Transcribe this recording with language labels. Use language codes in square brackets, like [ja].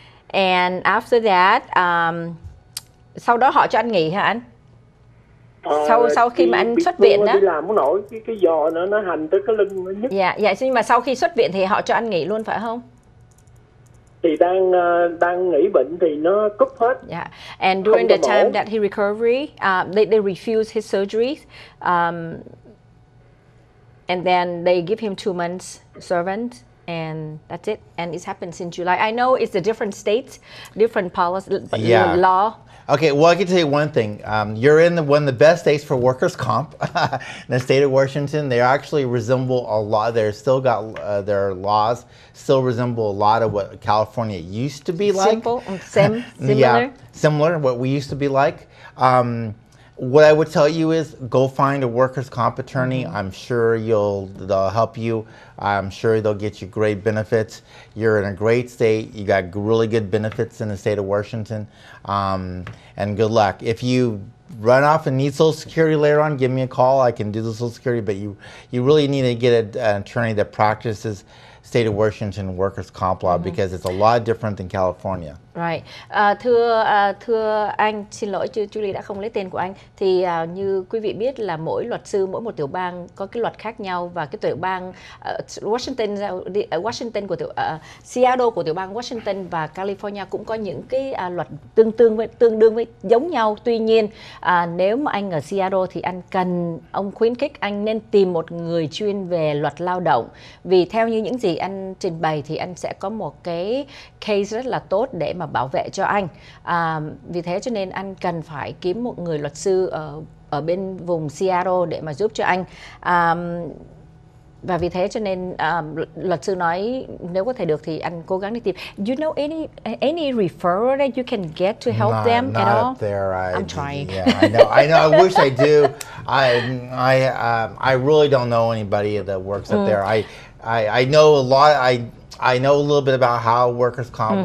[en] And after that, [vi] sau đó họ cho anh nghỉ hả anh? sau khi mà anh xuất viện đó. Đi làm không nổi, cái giò nó hành tới cái lưng nó nhức. Dạ, dạ, nhưng mà sau khi xuất viện thì họ cho anh nghỉ luôn phải không? Thì đang nghỉ bệnh thì nó cúp hết. Dạ. [en] Yeah. And during the time that he recovery, they refused his surgery. And then they give him 2 months servant. And that's it. And it's happened since July. I know it's a different state, different policy, yeah. Law. Okay, well, I can tell you one thing. You're in one of the best states for workers' comp. In the state of Washington, they actually resemble a lot. They're still got their laws, still resemble a lot of what California used to be like. Similar? Yeah, similar, what we used to be like. What I would tell you is go find a workers' comp attorney. Mm-hmm. I'm sure they'll help you. I'm sure they'll get you great benefits. You're in a great state. You got really good benefits in the state of Washington. And good luck. If you run off and need Social Security later on, give me a call. I can do the Social Security. But you really need to get an attorney that practices state of Washington workers' comp law, mm-hmm. because it's a lot different than California. Right. [vi] Thưa anh, xin lỗi, Julie đã không lấy tên của anh. Thì như quý vị biết là mỗi luật sư, mỗi một tiểu bang có cái luật khác nhau, và cái tiểu bang Washington của Seattle của tiểu bang Washington và California cũng có những cái luật tương đương với giống nhau. Tuy nhiên, nếu mà anh ở Seattle thì anh cần, ông khuyến khích anh nên tìm một người chuyên về luật lao động. Vì theo như những gì anh trình bày thì anh sẽ có một cái case rất là tốt để mà bảo vệ cho anh. Vì thế cho nên anh cần phải kiếm một người luật sư ở bên vùng Seattle để mà giúp cho anh. Và vì thế cho nên luật sư nói nếu có thể được thì anh cố gắng đi tìm. [en] You know any referral that you can get to help them at all? Not up there. I'm trying. Yeah, I know. I wish I do. I really don't know anybody that works up there. I know a lot. I know a little bit about how workers' comp mm-hmm.